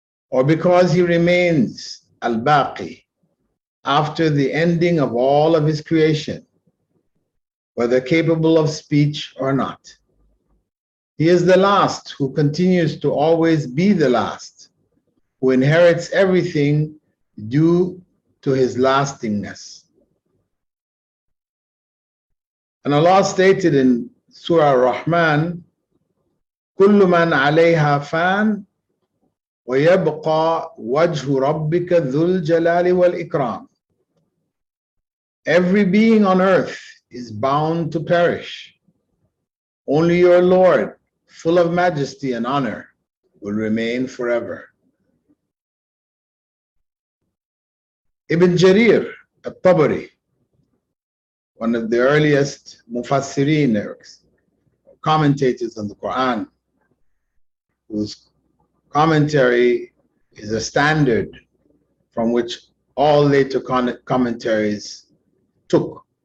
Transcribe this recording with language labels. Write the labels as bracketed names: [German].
[English] Or because he remains al-baqi after the ending of all of his creation, whether capable of speech or not. He is the last who continues to always be the last, who inherits everything due to his lastingness. [Arabic] And Allah stated in Surah Ar-Rahman, كُلُّ مَنْ عَلَيْهَا فَانْ وَيَبْقَى وَجْهُ رَبِّكَ ذُو الْجَلَالِ وَالْإِكْرَامِ. [English] Every being on earth is bound to perish. Only your Lord, full of majesty and honor, will remain forever. Ibn Jarir al-Tabari, one of the earliest mufassirin, commentators on the Quran, whose commentary is a standard from which all later commentaries took.